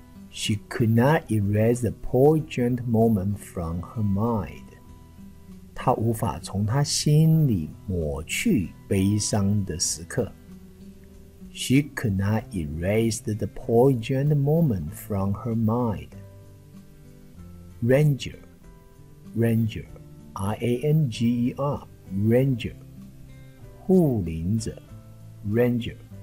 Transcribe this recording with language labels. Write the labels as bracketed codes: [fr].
[en] She could not erase the poignant moment from her mind. [zh] 她无法从她心里抹去悲伤的时刻。 [en] She could not erase the poignant moment from her mind. Ranger, Ranger, R-A-N-G-E-R, Ranger, 护林者 Ranger.